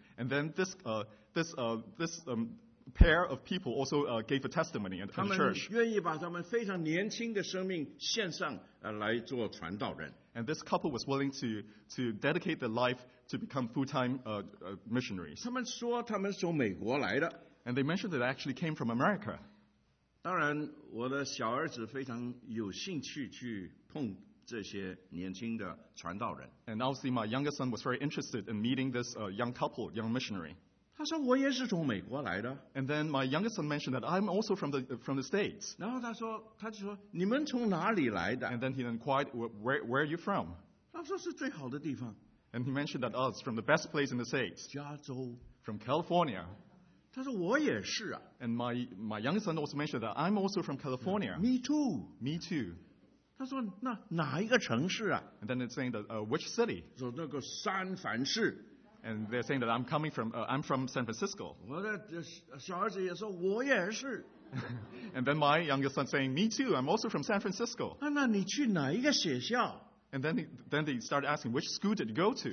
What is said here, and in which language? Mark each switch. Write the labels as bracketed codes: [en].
[en] and then this pair of people also gave a testimony in the church. [zh] 他们愿意把他们非常年轻的生命献上, [en] and this couple was willing to dedicate their life to become full-time missionaries. [zh] 他们说他们从美国来的, [en] and they mentioned that they actually came from America. [zh] 当然我的小儿子非常有兴趣去碰这些年轻的传道人, [en] and obviously my youngest son was very interested in meeting this young couple, young missionary. [zh] 他说我也是从美国来的, [en] and then my youngest son mentioned that I'm also from the States. [zh] 然后他说你们从哪里来的, [en] and then he inquired where are you from. [zh] 他说是最好的地方, [en] and he mentioned that it's from the best place in the States, [zh] 加州, [en] from California. [zh] 他说我也是啊, [en] and my youngest son also mentioned that I'm also from California. Me too. Me too. [zh] 他说那哪一个城市啊, [en] and then it's saying that which city. [zh] 说那个三藩市, [en] and they're saying that I'm coming from I'm from San Francisco. [zh] 我的小儿子也说我也是, [en] and then my youngest son saying me too, I'm also from San Francisco. [zh] 那你去哪一个学校, [en] and then they started asking which school did you go to.